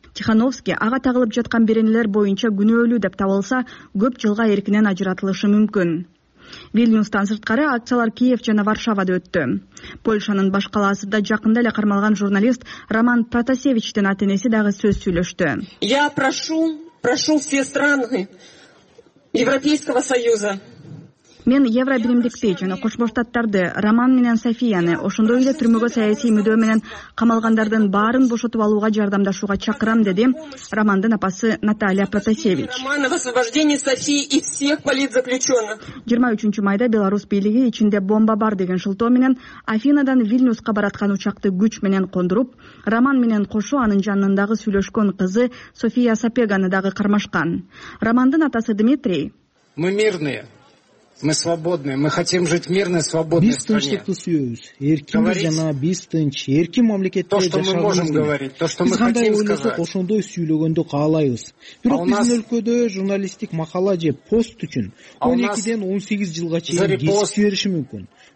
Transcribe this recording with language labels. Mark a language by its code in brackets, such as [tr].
[ky] Тихановский ага тагылып жаткан беренелер боюнча күнөөлүү деп табылса, көп жылга эркинен ажыратылышы мүмкүн. Вильнюстан сырткары акциялар Киев жана Варшавада өттү. Польшанын баш калаасында жакында эле кармалган журналист Роман Протасевичтин атенеси дагы сөз сүйлөштү. [ru] Я прошу все страны Европейского союза. [ky] Мен евробиримдикти жана Кошмо Штаттарды, Роман менен Софияны, ошондой эле түрмөгө саясий мүдөө менен камалгандардын баарын бошотуп алууга жардамдашууга чакырам, деди Романдын апасы Наталья Протасевич. 23 майда Беларусь бийлиги ичинде бомба бар деген шылтоо менен Афинадан Вильнюска бараткан учакты күч менен кондуруп, Роман менен кошо анын жанындагы сүйлөшкөн кызы София Сапеганы дагы кармашкан. Романдын атасы Дмитрий. [ru] Мы мирные. Мы свободны. Мы хотим жить в мирной, свободной стране. [ky] Биз тынчтыкты сүйөбүз. Эркин жана биз тынч, эркин мамлекетте жашайбыз. [ru] То, что мы можем говорить, то, что мы хотим сказать. [ky] Биз ошондой сүйлөгөндү каалайбыз. Бирок биздин өлкөдө журналистик макала же пост үчүн 12-ден 18 жылга чейин кесип бериши мүмкүн.